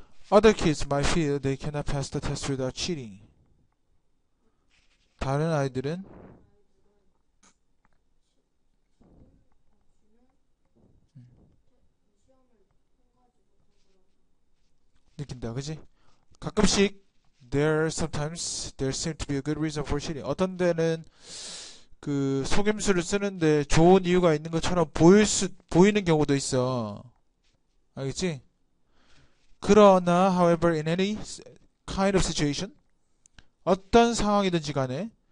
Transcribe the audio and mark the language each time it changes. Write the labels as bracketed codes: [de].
[en] Other kids might feel they cannot pass the test without cheating. [ko] 다른 아이들은 느낀다, 그지? 가끔씩, [en] there seem to be a good reason for cheating. [ko] 어떤 데는, 속임수를 쓰는데 좋은 이유가 있는 것처럼 보이는 경우도 있어. 알겠지? 그러나, [en] however, in any kind of situation, [ko] 어떤 상황이든지 간에,